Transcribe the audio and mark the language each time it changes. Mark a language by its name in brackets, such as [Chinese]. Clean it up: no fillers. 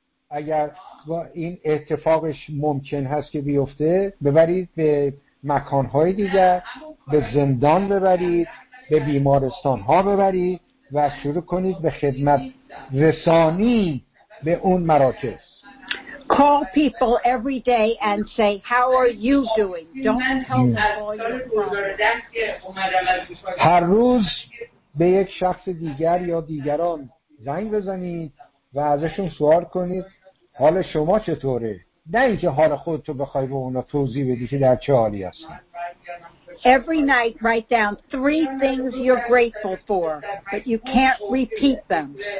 [Persian] اگر این اتفاقش ممکن هست که بیفته ببرید به مکانهای دیگر، به زندان ببرید، به بیمارستانها ببرید و شروع کنید به خدمت رسانی به اون مراکز. [English] Call people every day and say how are you doing. Don't call. [Persian] هر روز به یک شخص دیگر یا دیگران زنگ بزنید و ازشون سوال کنید حال شما چطوره؟ نه اینکه حال خودتو بخوای به اونا توضیح بدی که در چه حالی هستن. [English] Every night write down three things you're grateful for, but you can't repeat them.